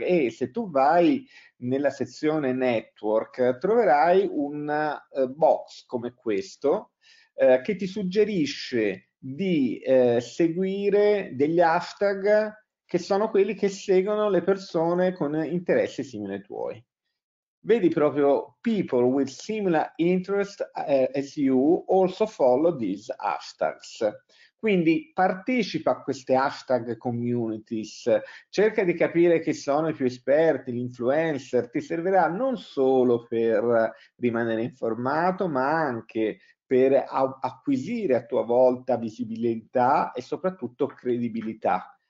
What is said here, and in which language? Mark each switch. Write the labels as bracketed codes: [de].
[it] E se tu vai nella sezione network, troverai un box come questo, che ti suggerisce di seguire degli hashtag che sono quelli che seguono le persone con interessi simili ai tuoi. Vedi proprio: [en] people with similar interests as you also follow these hashtags. [it] Quindi partecipa a queste hashtag communities, cerca di capire chi sono i più esperti, gli influencer. Ti servirà non solo per rimanere informato, ma anche per acquisire a tua volta visibilità e soprattutto credibilità.